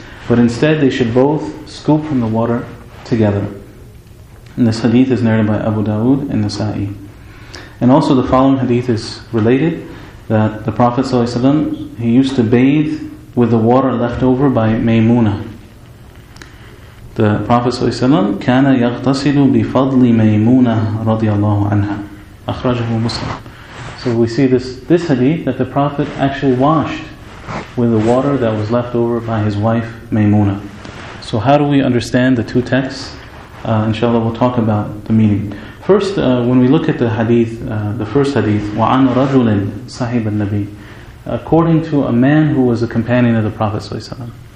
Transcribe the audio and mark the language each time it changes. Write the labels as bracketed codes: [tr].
[en] But instead, they should both scoop from the water together. And this hadith is narrated by Abu Dawud and Nasa'i. And also the following hadith is related, that the Prophet ﷺ, he used to bathe with the water left over by Maymuna. [ar] The Prophet ﷺ, كَانَ يَغْتَسِلُ بِفَضْلِ مَيْمُونَ رَضِيَ اللَّهُ عَنْهَا أَخْرَجَهُ مُسْلِمٌ. [en] So we see this hadith that the Prophet actually washed with the water that was left over by his wife Maymuna. So how do we understand the two texts? Inshallah, we'll talk about the meaning. First, when we look at the hadith, the first hadith, [ar] وَعَنْ رَجُلٍ صَحِبَ النَّبِيِّ, [en] according to a man who was a companion of the Prophet ﷺ.